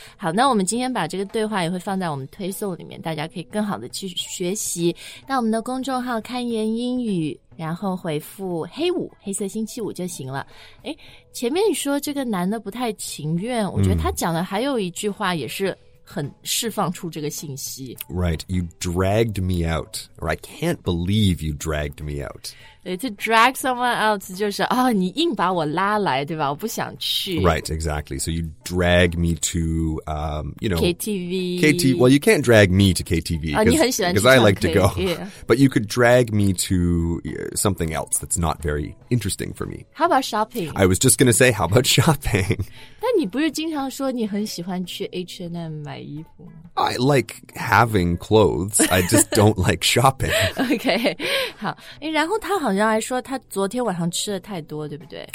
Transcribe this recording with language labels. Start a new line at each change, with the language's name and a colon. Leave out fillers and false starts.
Chinese: 好，那我们今天把这个对话也会放在我们推送里面，大家可以更好的去学习。那我们的公众号开言英语，然后回复黑五，黑色星期五就行了。诶，前面你说这个男的不太情愿，我觉得他讲的还有一句话也是很释放出这个信息。
English: Right, you dragged me out, or I can't believe you dragged me out. To drag someone out
Chinese: 就是、哦、你硬把我拉来，对吧？我不想去。
English: Right, exactly. So you drag me to, you know, KTV. KTV. Well, you can't drag me to KTV.
Chinese: 你很喜欢去唱 K.
English: Because I like to go.、 Yeah. But you could drag me to something else that's not very interesting for me. How about shopping? I was just going to say, how about shopping?
Chinese: 但你不是经常说你很喜欢去 H&M 买衣服吗？
English: I like having clothes. I just don't like shopping. Okay.
Chinese: 好，然后他好像还说他昨天晚上吃的太多，对不对？